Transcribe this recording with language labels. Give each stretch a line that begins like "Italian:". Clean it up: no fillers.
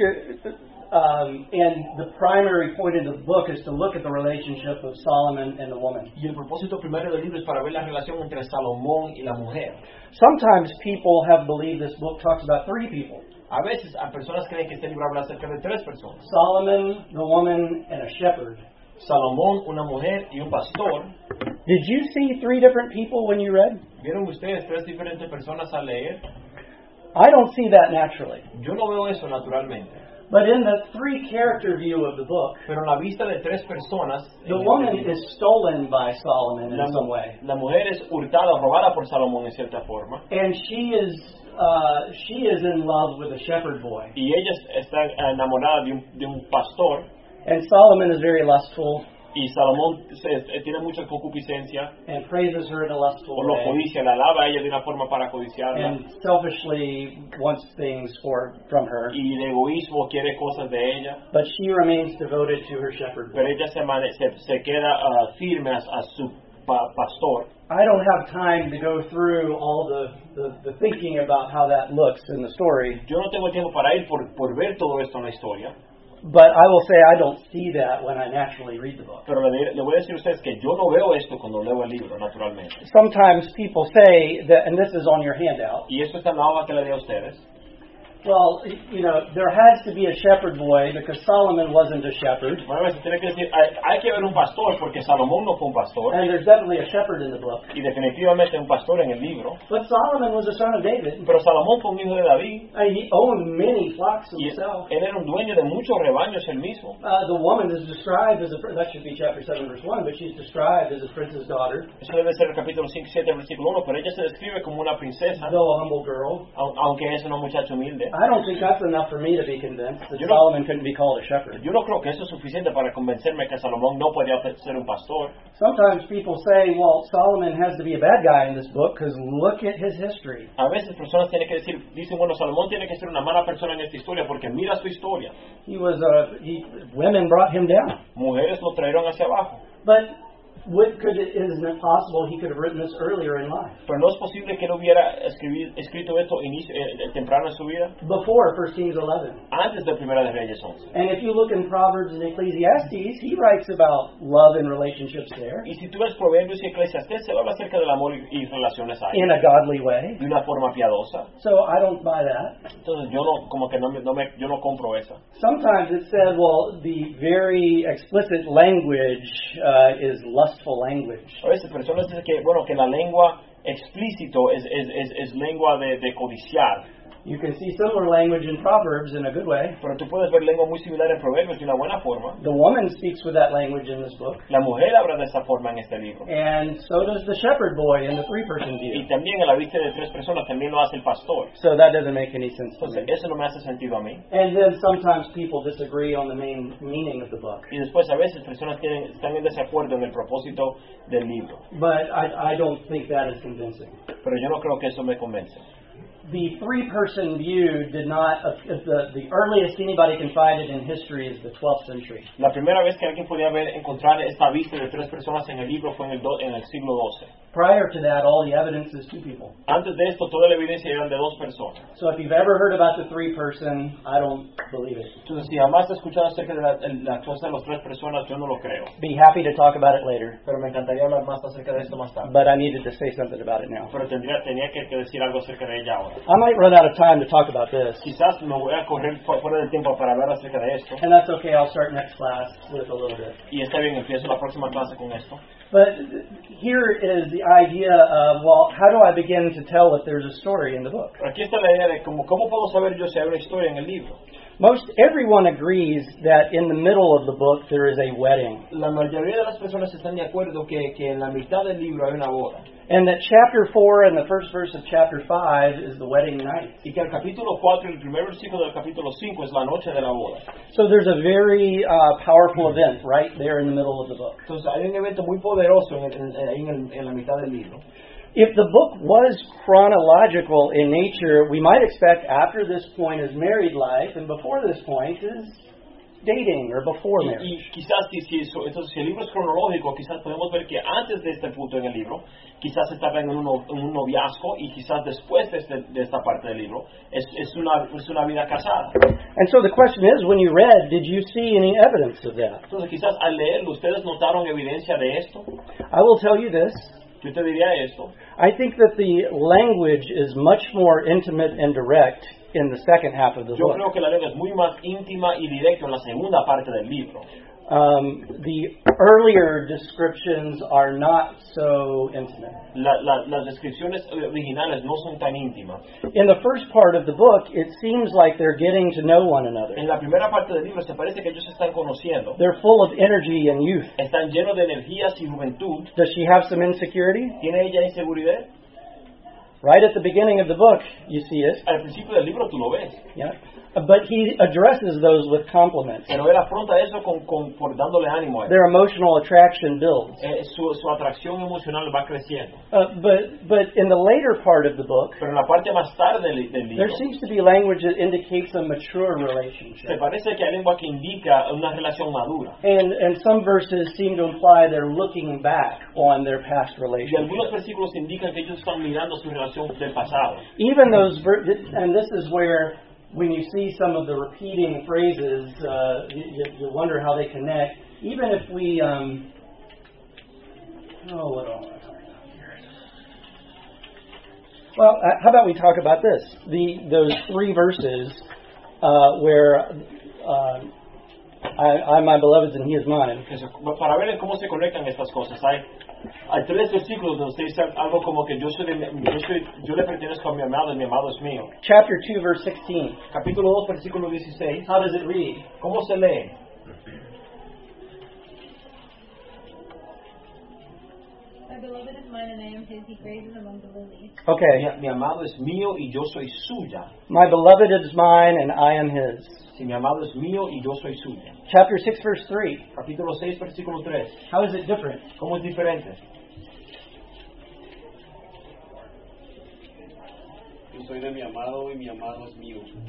English: And the primary point of the book is to look at the relationship of Solomon and the woman.
Spanish: Y el propósito primero del libro es para ver la relación entre Salomón y la mujer.
English: Sometimes people have believed this book talks about three people.
Spanish: A veces a personas creen que este libro habla acerca de tres personas.
English: Solomon, the woman, and a shepherd.
Spanish: Salomón, una mujer y un pastor.
English: Did you see three different people when you read?
Spanish: ¿Vieron ustedes tres diferentes personas al leer?
English: I don't see that naturally.
Spanish: Yo no veo eso naturalmente.
English: But in the three character view of the book,
Spanish: pero en la vista de tres personas,
English: the woman is stolen by Solomon in some way.
Spanish: La mujer es hurtada, robada por Salomón en cierta forma.
English: And she is in love with a shepherd boy.
Spanish: Y ella está enamorada de un pastor.
English: And Solomon is very lustful.
Spanish: Y Salomón tiene mucha concupiscencia.
English: And praises her in a lustful way.
Spanish: O lo codicia, la alaba a ella de una forma para codiciarla.
English: And selfishly wants things from her.
Spanish: Y de egoísmo quiere cosas de ella.
English: But she remains devoted to her shepherd.
Spanish: Pero ella se queda firme a su pastor.
English: I don't have time to go through all the thinking about how that looks in the story.
Spanish: Yo no tengo tiempo para ir por ver todo esto en la historia.
English: But I will say I don't see that when I naturally read the book.
Spanish: Pero le voy a decir a ustedes que yo no veo esto cuando leo el libro, naturalmente.
English: Sometimes people say that, and this is on your handout.
Spanish: Y esto está en la hoja que le di a ustedes.
English: Well, you know, there has to be a shepherd boy because Solomon wasn't a shepherd.
Spanish: Bueno, se tiene que decir, hay que haber un pastor porque Salomón no fue un pastor.
English: And there's definitely a shepherd in the book.
Spanish: Y definitivamente un pastor en el libro.
English: But Solomon was a son of David.
Spanish: Pero Salomón fue un hijo de David.
English: And he owned many flocks himself.
Spanish: Él era un dueño de muchos rebaños él mismo.
English: The woman is described as that should be chapter 7, verse 1, but she's described as a prince's daughter.
Spanish: Eso debe ser el capítulo 5, 7, versículo 1, pero ella se describe como una princesa.
English: Though a humble girl.
Spanish: Aunque es una muchacha humilde.
English: I don't think that's enough for me to be convinced that Solomon couldn't be called a shepherd.
Spanish: Yo no creo que eso es suficiente para convencerme que Salomón no podía ser un pastor.
English: Sometimes people say, well, Solomon has to be a bad guy in this book because look at his history.
Spanish: A veces personas tienen que decir, dicen, bueno, Salomón tiene que ser una mala persona en esta historia porque mira su historia.
English: He was women brought him down.
Spanish: Mujeres lo trajeron hacia abajo.
English: But isn't it possible he could have written this earlier in life?
Spanish: Pero no es posible que él hubiera escrito esto temprano en su vida.
English: Before 1 Kings 11.
Spanish: Antes de Primera de Reyes 11.
English: And if you look in Proverbs and Ecclesiastes, he writes about love and relationships there.
Spanish: Y si tú ves Proverbios y Eclesiastés, él habla acerca del amor y relaciones ahí.
English: In a godly way.
Spanish: De una forma piadosa.
English: So I don't buy that.
Spanish: Entonces yo no compro esa.
English: Sometimes it's said, well, the very explicit language is love. Lustful language.
Spanish: A veces personas dicen que bueno que la lengua explícito es lengua de codiciar.
English: You can see similar language in Proverbs in a good way.
Spanish: Pero tú puedes ver lengua muy similar en Proverbios de una buena forma.
English: The woman speaks with that language in this book.
Spanish: La mujer habla de esa forma en este libro.
English: And so does the shepherd boy in the three-person view.
Spanish: Y también en la vista de tres personas también lo hace el pastor.
English: So that doesn't make any sense to me.
Spanish: Eso no me hace sentido a mí.
English: And then sometimes people disagree on the main meaning of the book.
Spanish: Y después a veces personas están en desacuerdo en el propósito del libro.
English: But I don't think that is convincing.
Spanish: Pero yo no creo que eso me convence.
English: The three-person view did not. The earliest anybody can find it in history is the 12th century.
Spanish: La primera vez que alguien podía ver encontrar esta vista de tres personas en el libro fue en el siglo 12.
English: Prior to that, all the evidence is two people.
Spanish: Antes de esto, toda la evidencia eran de dos personas.
English: So if you've ever heard about the three person, I don't believe it.
Spanish: Entonces, si jamás has escuchado acerca de la cosa de las tres personas, yo no lo creo.
English: Be happy to talk about it later.
Spanish: Pero me encantaría hablar más acerca de esto más tarde.
English: But I needed to say something about it now.
Spanish: Pero tenía que decir algo acerca de ella ahora.
English: I might run out of time to talk about this.
Spanish: Quizás me voy a correr fuera del tiempo para hablar acerca de esto.
English: And that's okay, I'll start next class with a little bit.
Spanish: Y está bien, empiezo la próxima clase con esto.
English: But here is the idea of, well, how do I begin to tell if there's a story in the book?
Spanish: Aquí está la idea de cómo puedo saber yo si hay una historia en el libro.
English: Most everyone agrees that in the middle of the book there is a wedding.
Spanish: La mayoría de las personas están de acuerdo que en la mitad del libro hay una boda.
English: And that chapter 4 and the first verse of chapter 5 is the wedding night.
Spanish: Y que el capítulo 4 y el primer versículo del capítulo 5 es la noche de la boda.
English: So there's a very powerful event right there in the middle of the book.
Spanish: Entonces hay un evento muy poderoso en la mitad del libro.
English: If the book was chronological in nature, we might expect after this point is married life, and before this point is dating or before marriage.
Spanish: Y quizás si el libro es cronológico, quizás podemos ver que antes de este punto en el libro, quizás estaba en un noviazgo, y quizás después de esta parte del libro, es una vida casada.
English: And so the question is, when you read, did you see any evidence of that?
Spanish: Entonces quizás al leer, ¿ustedes notaron evidencia de esto?
English: I will tell you this.
Spanish: Yo te diría esto.
English: I think that the language is much more intimate and direct in the second half of the book.
Spanish: Yo creo que la lengua es muy más íntima y directa en la segunda parte del libro.
English: The earlier descriptions are not so intimate.
Spanish: Las descripciones originales no son tan íntimas.
English: In the first part of the book, it seems like they're getting to know one another.
Spanish: En la primera parte del libro se parece que ellos se están conociendo.
English: They're full of energy and youth.
Spanish: Están llenos de energías y juventud.
English: Does she have some insecurity?
Spanish: ¿Tiene ella inseguridad?
English: Right at the beginning of the book, you see it.
Spanish: Al principio del libro tú lo ves.
English: Yeah. But he addresses those with compliments.
Spanish: Pero él afronta eso por dándole ánimo.
English: Their emotional attraction builds.
Spanish: Su atracción emocional va creciendo.
English: But in the later part of the book,
Spanish: pero en la parte más tarde del libro,
English: there seems to be language that indicates a mature relationship.
Spanish: Se parece que hay lengua que indica una relación madura.
English: And some verses seem to imply they're looking back on their past relationship.
Spanish: Y algunos versículos indican que ellos están mirando su relación del pasado.
English: Even those and this is where when you see some of the repeating phrases, you wonder how they connect. Even if we, how about we talk about this? Those three verses where I am my beloved's and he is mine.
Spanish: Para ver cómo se conectan estas cosas, hay tres versículos donde dice algo como que yo le pertenezco a mi amado y mi amado es mío.
English: Chapter 2, verse 16.
Spanish: Capítulo 2, versículo 16.
English: How does it read?
Spanish: ¿Cómo se lee?
English: My beloved is mine and I am his. He grazes among the lilies. Okay.
Spanish: Mi amado es mío y yo soy suya.
English: My beloved is mine and I am his.
Spanish: Si mi amado es mío y yo soy suya.
English: Chapter 6, verse 3.
Spanish: Capítulo 6, versículo 3.
English: How is it different?
Spanish: ¿Cómo es diferente? Yo soy de mi amado y él es mío.